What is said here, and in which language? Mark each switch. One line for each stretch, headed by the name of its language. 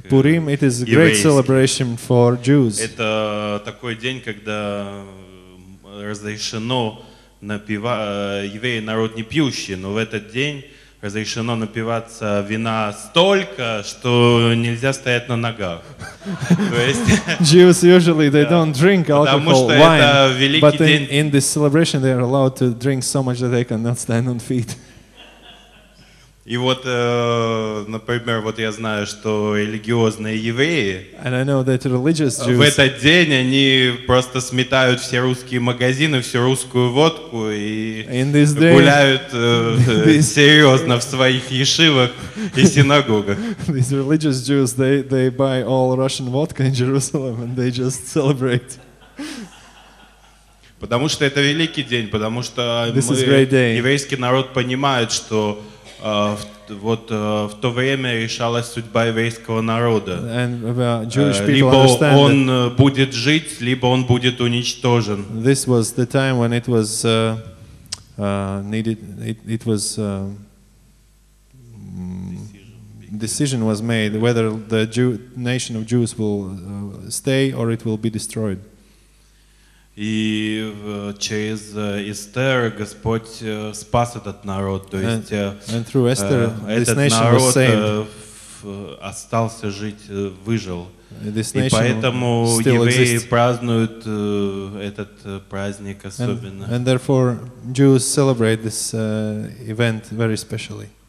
English: Purim – it is a great celebration for Jews.
Russian: Это такой день, когда разрешено напивать… Евреи – народ не пьющий, но в этот день разрешено напиваться вина столько, что нельзя стоять на ногах.
English: Jews usually they don't drink alcohol, wine, but in this celebration they are allowed to drink so much that they cannot stand on feet.
Russian: И вот, например, вот я знаю, что религиозные евреи в этот день они просто сметают все русские магазины, всю русскую водку и гуляют серьезно в своих ешивах и синагогах.
English: These religious Jews, they buy all Russian vodka in Jerusalem and they just celebrate.
Russian: Потому что это великий день, потому что мы, еврейский народ понимает, что вот в то время решалась судьба еврейского народа. Либо он будет жить, либо он будет уничтожен.
English: This was the time when it was needed. It was decision was made whether the nation of Jews will stay or it will be destroyed.
Russian: И через Эстер Господь спас этот народ, то есть
English: and through Esther, this
Russian: этот
English: nation
Russian: народ
English: was saved.
Russian: Остался жить, выжил.
English: This nation
Russian: и поэтому
English: still
Russian: евреи
English: exists.
Russian: Празднуют этот праздник особенно.
English: And therefore Jews celebrate this event very specially.